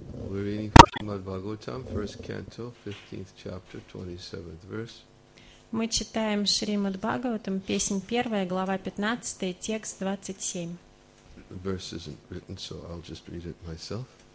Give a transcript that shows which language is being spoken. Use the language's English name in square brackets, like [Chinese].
[English] We're reading Srimad Bhagavatam, first canto, 15th chapter, 27th verse. [Russian] Мы читаем Шримад Бхагаватам, песнь первая, глава 15, текст 27. [English] The verse isn't written, so I'll just read it myself.